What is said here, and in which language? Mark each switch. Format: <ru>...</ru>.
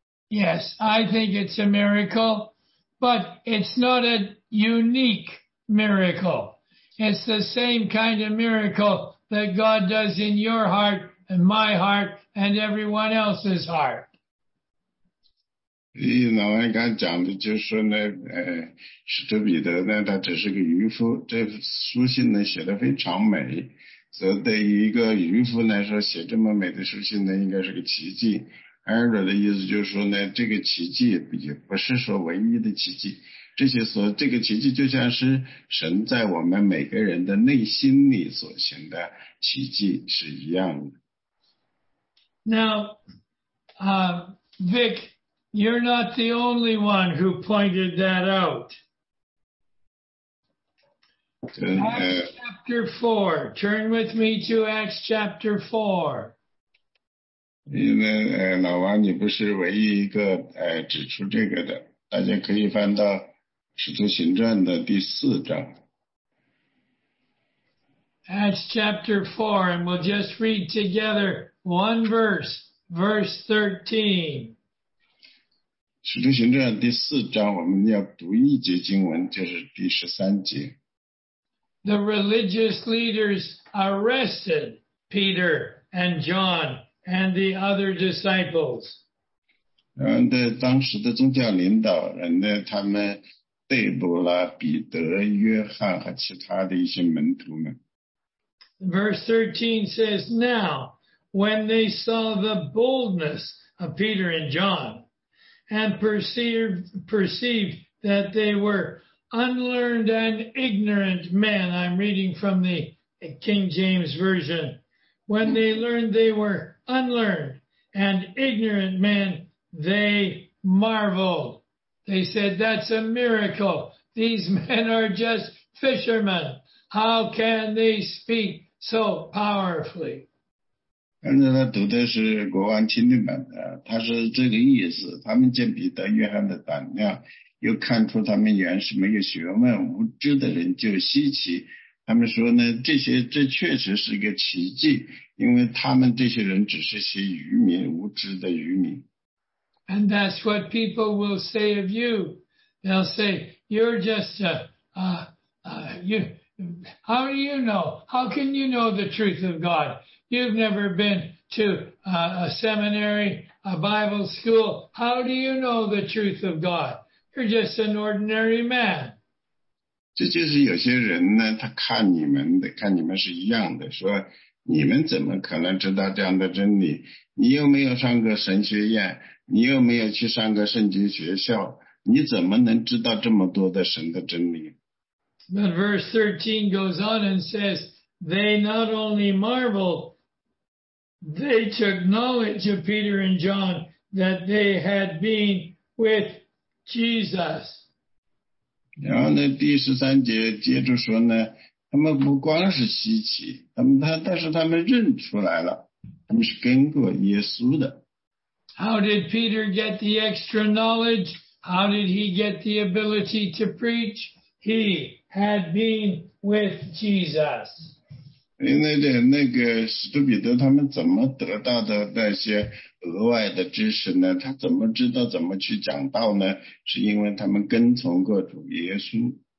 <en>Yes, I think it's a miracle, but it's not a unique miracle. It's the same kind of miracle that God does in your heart and my heart and everyone else's heart.</en> <zh>老安刚讲的就是说呢，使徒彼得呢，他只是个渔夫，这书信呢写得非常美，所以对于一个渔夫来说，写这么美的书信呢，应该是个奇迹。安瑞的意思就是说呢，这个奇迹也不是说唯一的奇迹。这些所这个奇迹就像是神在我们每个人的内心里所行的奇迹是一样的。</zh> <en>Now, Vic, you're not the only one who pointed that out. Acts chapter 4. Turn with me to Acts chapter 4.</en> <zh>因为老王你不是唯一一个指出这个的，大家可以翻到使徒行传的第4章。</zh> <en>Acts chapter 4, and we'll just read together one verse, verse 13.</en> <zh>使徒行传第四章我们要读一节经文就是第十三节</zh> <en>The religious leaders arrested Peter and John and the other disciples.</en> <zh>当时的宗教领导人呢他们逮捕了彼得、约翰和其他的一些门徒们。</zh> <en>Verse 13 says, Now, when they saw the boldness of Peter and John, and perceived that they were unlearned and ignorant men, I'm reading from the King James Version, when they learned they were unlearned and ignorant men, they marveled. They said, That's a miracle. These men are just fishermen. How can they speak so powerfully?</en> <zh>刚才他读的是国王钦定版的，他是这个意思，他们见彼得、约翰的胆量，又看出他们原是没有学问、无知的人，就稀奇。他们说呢，这确实是个奇迹，因为他们这些人只是些愚民、无知的愚民。</zh> <en>And that's what people will say of you. They'll say, you're just how do you know? How can you know the truth of God? You've never been to a seminary, a Bible school. How do you know the truth of God? You're just an ordinary man.</en> <zh>这就是有些人呢，他看你们的，看你们是一样的，说你们怎么可能知道这样的真理？你又没有上过神学院，你又没有去上过圣经学校，你怎么能知道这么多的神的真理？</zh> <en>But verse 13 goes on and says, They not only marveled, they took knowledge of Peter and John that they had been with Jesus.</en> <zh>然后呢，第十三节接着说呢，他们不光是稀奇，但是他们认出来了，他们是跟过耶稣的。</zh> <en>How did Peter get the extra knowledge? How did he get the ability to preach? He had been with Jesus.</en> <zh>那个使徒彼得他们怎么得到的那些额外的知识呢？他怎么知道怎么去讲道呢？是因为他们跟从过主耶稣。</zh>